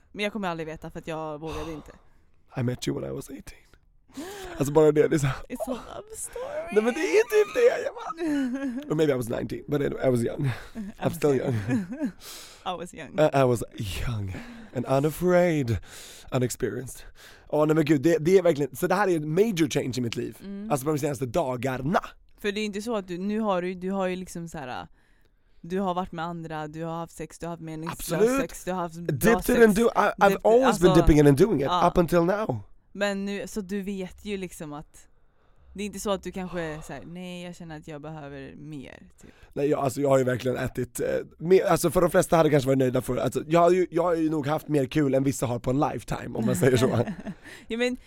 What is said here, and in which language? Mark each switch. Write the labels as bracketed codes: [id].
[sv] Men jag kommer aldrig veta för att jag vågade inte. [en] I met you when I was 18. [sv] Alltså bara det är så. [en] It's a love story. [sv] Nej, men det är typ det jag var. [en] Or maybe I was 19, but anyway, I was young. I'm still young. I was young. I was young and unafraid, unexperienced. [sv] Åh nej men gud, det är verkligen, så det här är en [en] major change [sv] i mitt liv. Mm. Alltså på de senaste dagarna. För det är inte så att du har ju liksom så här, du har varit med andra, du har haft sex, du har haft meningslös sex, du har haft bra [en] dipped [sv] sex. [en] It and do, I've dipped, always alltså, been dipping in and doing it, up until now. [sv] Men nu, så du vet ju liksom att det är inte så att du kanske säger nej, jag känner att jag behöver mer. Typ. Nej, jag har ju verkligen ätit mer. Alltså för de flesta hade kanske varit nöjda för, alltså, jag har ju nog haft mer kul än vissa har på en lifetime, om man säger så. Ja, men,